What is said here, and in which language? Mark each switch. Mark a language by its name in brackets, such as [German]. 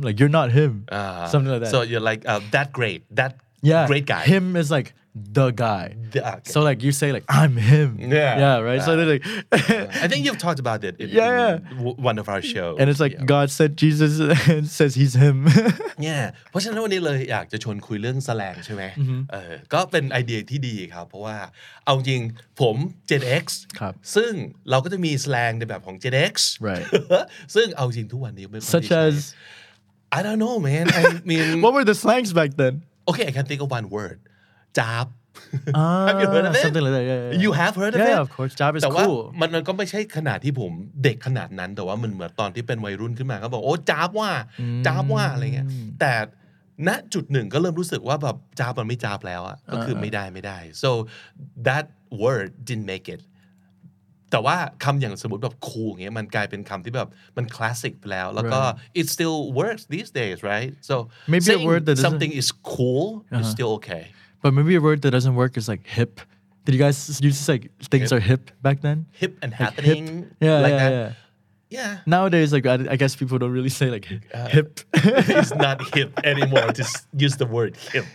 [English] Like, you're not him. Something like that. So you're like, that great, that great guy. Him is like, the guy okay. so like you say like I'm him right so they're like I think you've talked about it in one of our shows and it's like God sent Jesus and says he's him [Thai] yeah เพราะฉะนั้นวันนี้เลยอยากจะชวนคุยเรื่องแสลงใช่ไห ม เออก็เป็นไอเดียที่ดีครับเพราะว่าเอาจริงผม Gen X ครับ ซึ่งเราก็จะมีแสลงในแบบของ Gen X [English] right [Thai] ซึ่งเอาจริงทุกวันนี้ไม่ค่อยได้ [English] such as I don't know man I mean what were the slangs back then okay I can think of one wordJab. Have you heard of it? Something like that. Yeah. You have heard of it? Yeah, of course. Jab is cool. [Thai] แต่ว่ ามันก็ไม่ใช่ขนาดที่ผมเด็กขนาดนั้นแต่ว่ามันเหมือนตอนที่เป็นวัยรุ่นขึ้นมาเขาบอกโอ้จับว่าอะไรเงี้ยแต่ณจุดหนึ่งก็เริ่มรู้สึกว่าแบบจับมันไม่จับแล้วอะก็คือไม่ได้ [English] so that word didn't make it [Thai] แต่ว่าคำอย่างสมมติแบบคูลเงี้ยมันกลายเป็นคำที่แบบมันคลาสสิกไปแล้วแล้วก็ [English] it still works these days right so maybe a word that something is cool is still okay but maybe a word that doesn't work is like hip did you guys use like things are hip back then hip and happening like hip. Yeah, like yeah nowadays like I guess people don't really say like hip it's not hip anymore to use the word hip